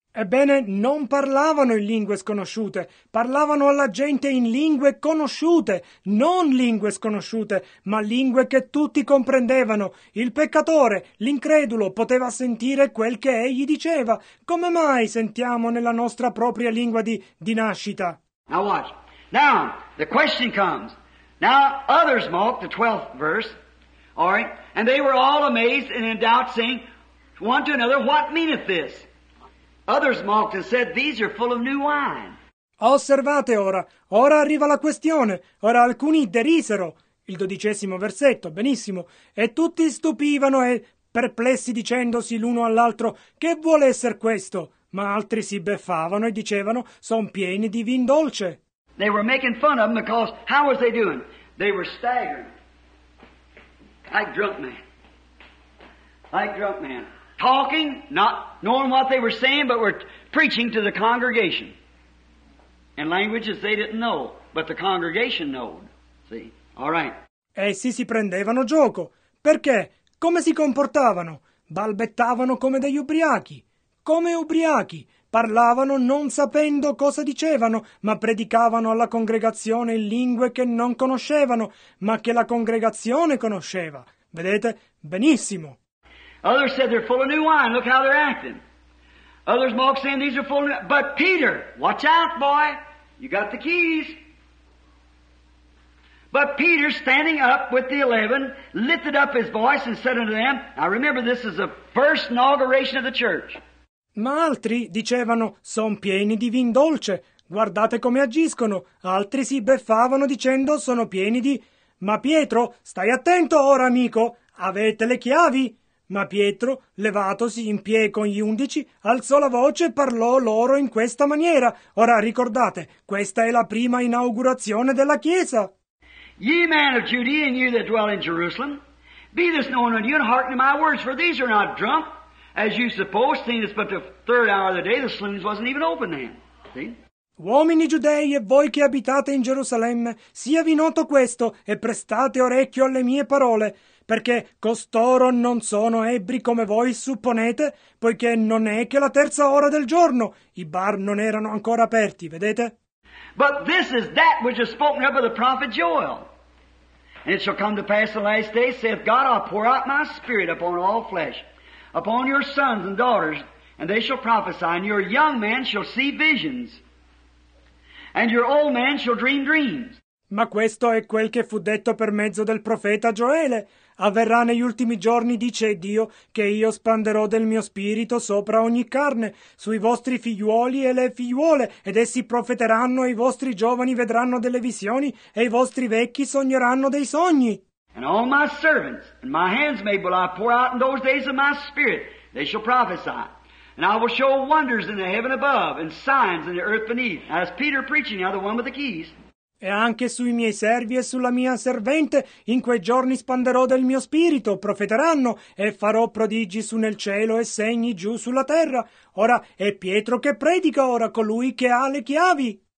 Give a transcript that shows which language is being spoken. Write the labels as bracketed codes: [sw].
[it] Ebbene, non parlavano in lingue sconosciute, parlavano alla gente in lingue conosciute, non lingue sconosciute, ma lingue che tutti comprendevano. Il peccatore, l'incredulo, poteva sentire quel che egli diceva. Come mai sentiamo nella nostra propria lingua di nascita? [en] Now watch. Now, the question comes. Now, others mocked the 12th verse, all right, and they were all amazed and in doubt, saying one to another, what meaneth this? Others mocked and said, these are full of new wine. [it] Osservate ora. Ora arriva la questione. Ora alcuni derisero. Il dodicesimo versetto, benissimo. E tutti stupivano e perplessi dicendosi l'uno all'altro, che vuole essere questo? Ma altri si beffavano e dicevano, son pieni di vin dolce. [en] They were making fun of them because, how was they doing? They were staggering. Like drunk men. Talking, not knowing what they were saying, but were preaching to the congregation. In languages they didn't know, but the congregation knowed. See? All right. [it] Essi si prendevano gioco. Perché? Come si comportavano? Balbettavano come degli ubriachi. Come ubriachi. Parlavano non sapendo cosa dicevano, ma predicavano alla congregazione in lingue che non conoscevano, ma che la congregazione conosceva. Vedete? Benissimo. [en] Others said they're full of new wine. Look how they're acting. Others mock saying these are full. But Peter, watch out, boy. You got the keys. But Peter, standing up with the 11, lifted up his voice and said unto them, now remember, this is the first inauguration of the church. [it] Ma altri dicevano, son pieni di vin dolce, guardate come agiscono. Altri si beffavano dicendo, sono pieni di... Ma Pietro, stai attento ora, amico, avete le chiavi? Ma Pietro, levatosi in piedi con gli 11, alzò la voce e parlò loro in questa maniera. Ora ricordate, questa è la prima inaugurazione della Chiesa. [en] Ye men of Judea and you that dwell in Jerusalem, be this known unto you and hearken to my words, for these are not drunk, as you suppose, seeing it's but the third hour of the day, the saloons wasn't even open then. See? [it] Uomini giudei e voi che abitate in Gerusalemme, siavi noto questo e prestate orecchio alle mie parole, perché costoro non sono ebri come voi supponete, poiché non è che la terza ora del giorno, i bar non erano ancora aperti, vedete? [en] But this is that which is spoken of by the prophet Joel. And it shall come to pass the last day, saith God, I'll pour out my spirit upon all flesh, upon your sons and daughters, and they shall prophesy, and your young men shall see visions, and your old men shall dream dreams. [it] Ma questo è quel che fu detto per mezzo del profeta Gioele. Avverrà negli ultimi giorni, dice Dio, che io spanderò del mio spirito sopra ogni carne, sui vostri figliuoli e le figliuole, ed essi profeteranno, e i vostri giovani vedranno delle visioni, e i vostri vecchi sogneranno dei sogni. [en] And all my servants and my handmaids will I pour out in those days of my spirit, they shall prophesy. And I will show wonders in the heaven above and signs in the earth beneath. As Peter preaching, now the one with the keys. [it] E anche sui miei servi e sulla mia servente, in quei giorni spanderò del mio spirito, profeteranno, e farò prodigi su nel cielo e segni giù sulla terra. Ora è Pietro che predica, ora colui che ha le chiavi.